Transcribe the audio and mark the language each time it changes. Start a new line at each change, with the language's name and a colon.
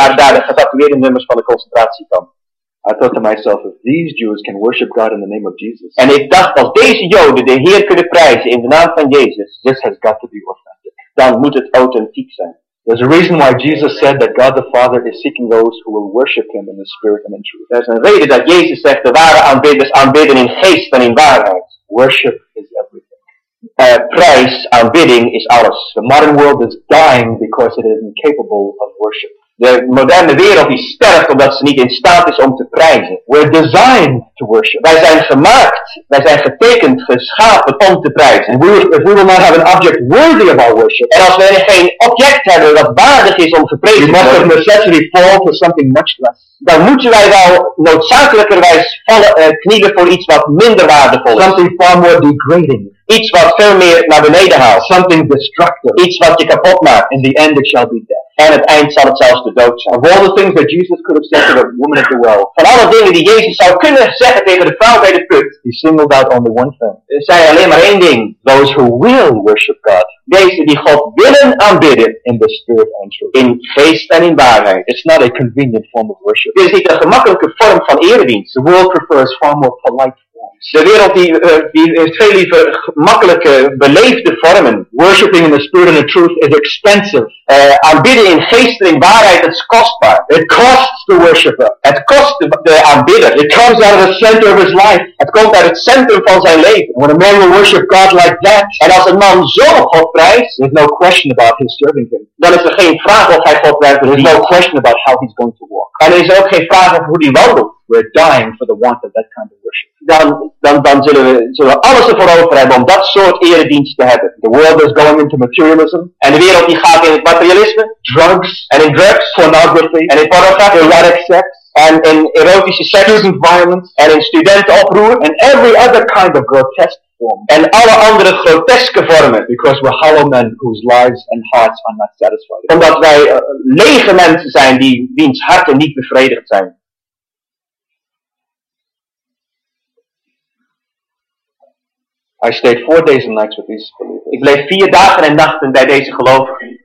Dutch: Waren daar de getatoeëerde nummers van de concentratiekamp.
English: I thought to myself, if these Jews can worship God in the name of Jesus.
Dutch: En ik dacht, als deze Joden de Heer kunnen prijzen in de naam van Jezus.
English: This has got to be authentic.
Dutch: Dan moet het authentiek zijn.
English: There's a reason why Jesus said that God the Father is seeking those who will worship Him in the spirit and in truth.
Dutch: There's een reden dat Jezus zegt, de ware aanbidders aanbidden in geest en in waarheid.
English: Worship is everything.
Dutch: Prijs, aanbidding is alles.
English: The modern world is dying because it is incapable of worship.
Dutch: De moderne wereld die sterft omdat ze niet in staat is om te prijzen.
English: We're designed to worship.
Dutch: Wij zijn gemaakt, wij zijn getekend, geschapen om te prijzen.
English: If we will not have an object worthy of our worship.
Dutch: En als wij geen object hebben dat waardig is om te prijzen.
English: We must have necessity fall for something much less.
Dutch: Dan moeten wij wel noodzakelijkerwijs knielen voor iets wat minder waardevol is.
English: Something far more degrading.
Dutch: Iets wat veel meer naar beneden haalt.
English: Something destructive.
Dutch: Iets wat je kapot maakt.
English: In the end it shall be death.
Dutch: En het eind zal het zelfs de dood zijn.
English: Of all the things that Jesus could have said to the woman at the well.
Dutch: Van alle dingen die Jezus zou kunnen zeggen tegen de vrouw bij de put.
English: He singled out only one thing.
Dutch: Hij zei alleen maar één ding.
English: Those who will worship God.
Dutch: Deze die God willen aanbidden.
English: In the spirit and truth.
Dutch: In geest en in waarheid.
English: It's not a convenient form of worship.
Dutch: Dit is niet een gemakkelijke vorm van eredienst.
English: The world prefers far more polite forms.
Dutch: De wereld die heeft veel liever gemakkelijke, beleefde vormen.
English: Worshipping in the spirit and the truth is expensive.
Dutch: Aanbidden in geest en in waarheid is kostbaar.
English: It costs the worshipper.
Dutch: Het kost de aanbidder.
English: It comes out of the center of his life.
Dutch: Het komt uit het centrum van zijn leven.
English: When a man will worship God like that.
Dutch: En als een man zo God prijst.
English: There's no question about his serving him.
Dutch: Dan is er geen vraag of hij God prijst.
English: There's no question about how he's going to walk.
Dutch: En er is ook geen vraag of hoe hij wandelt.
English: We're dying for the want of that kind of worship.
Dutch: Dan zullen we alles ervoor over hebben om dat soort eredienst te hebben.
English: The world is going into materialism.
Dutch: En de wereld die gaat in het materialisme.
English: Drugs.
Dutch: En in drugs.
English: Pornography.
Dutch: En in pornografie.
English: Erotic sex.
Dutch: En in erotische sex.
English: Student violence.
Dutch: En in studentenoproer.
English: And every other kind of grotesque form.
Dutch: En alle andere groteske vormen.
English: Because we're hollow men whose lives and hearts are not satisfied.
Dutch: Omdat wij lege mensen zijn die wiens harten niet bevredigd zijn.
English: I stayed 4 days and nights with these believers.
Dutch: Ik bleef 4 dagen en nachten bij deze gelovigen.